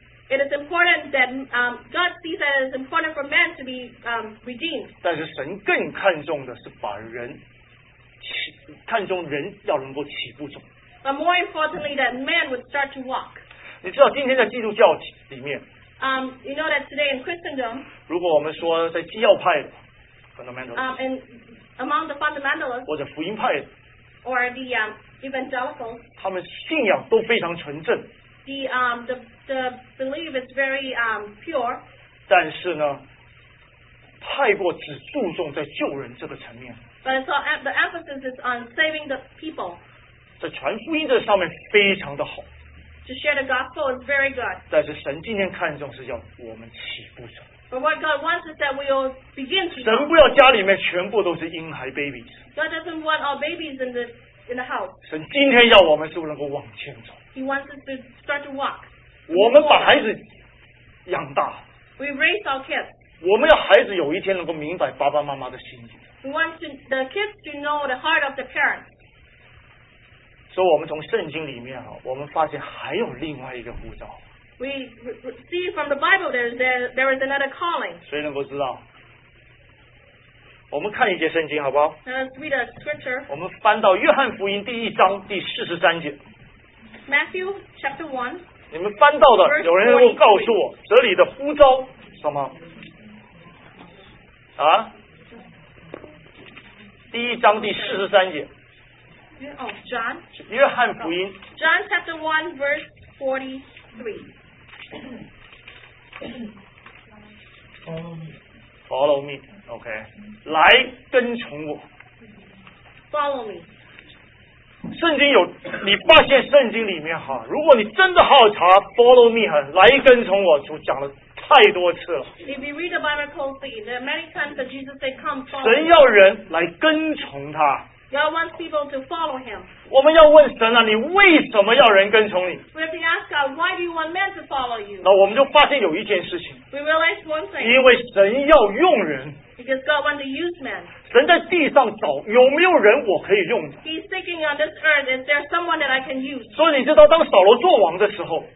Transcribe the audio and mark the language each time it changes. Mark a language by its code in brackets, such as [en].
[en] It is important that God sees that it is important for man to be redeemed. [zh] 但是神更看重的是把人看重人要能够起步走。 [en] But more importantly, that man would start to walk. [zh] 你知道今天在基督教里面 [en] you know that today in Christendom, [zh] 如果我们说在基要派的 [en] fundamentalists, and among the fundamentalists, [zh] 或者福音派的 [en] or the evangelicals, [zh] 他们信仰都非常纯正。 [en] The belief is very pure. [zh] 但是呢，太过只注重在救人这个层面。 [en] But so the emphasis is on saving the people. [zh] 在传福音这上面非常的好。 [en] To share the gospel is very good. [zh] 但是神今天看重是要我们起步走。 [en] But what God wants is that we will begin to. [zh] 神不要家里面全部都是婴孩 babies. [en] God doesn't want all babies in the house. [zh] 神今天要我们是不是能够往前走。 [en] He wants us to start to walk. [zh] 我们把孩子养大。 [en] We raise our kids. [zh] 我们要孩子有一天能够明白爸爸妈妈的心意。 [en] We want the kids to know the heart of the parents. [zh] 所以我们从圣经里面啊，我们发现还有另外一个呼召。 [en] We see from the Bible that there is another calling. [zh] 谁能够知道？我们看一节圣经好不好？ [en] Let's read a scripture. [zh] 我们翻到约翰福音第一章第四十三节。 [en] Matthew chapter 1. [zh] 你们翻到的，有人能够告诉我这里的呼召什么？啊？第一章第四十三节。 [en] Oh, John. [zh] 约翰福音。 [en] John chapter 1 verse 43. Follow me. Follow me. Okay. [zh] 来跟从我。 [en] Follow me. [zh] 圣经有，你发现圣经里面哈，如果你真的好查 ， [en] follow me [zh] 哈，来跟从我，主讲了太多次了。 [en] If you read the Bible closely, there are many times that Jesus said, "Come follow." [zh] 神要人来跟从他。 [en] God wants people to follow him. [zh] 我们要问神啊，你为什么要人跟从你 [en] ？We have to ask God, why do you want men to follow you? [zh] 那我们就发现有一件事情。 [en] We realize one thing. [zh] 因为神要用人。 [en] Because God wants to use men. [zh] 神在地上找有没有人我可以用的。 [en] He's seeking on this earth, is there someone that I can use? [zh] 所以你知道，当扫罗做王的时候